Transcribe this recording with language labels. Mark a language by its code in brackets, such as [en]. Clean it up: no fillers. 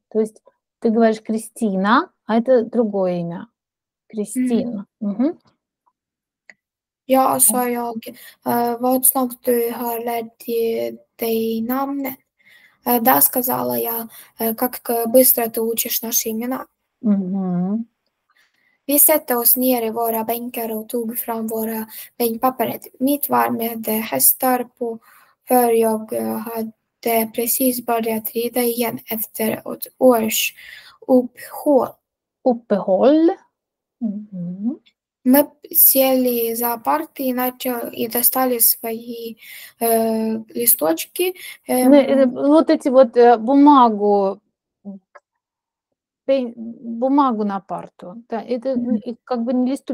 [ru] То есть ты говоришь Кристина, а это другое имя. Кристин. [sv] Ja, sa jag. Vad snart du har lärt dig namn? [ru] Да, сказала я. Как быстро ты учишь наши имена? [sv] Vi sätter oss ner i våra bänkar och tog fram våra bänkpapper. Mitt var med hästar på, för jag hade precis börjat rida igen efter ett års uppehåll. [ru] Мы сели за парты и начали и достали свои листочки. Вот эти вот бумагу. Бумагу на парту. Да, это как бы не листу.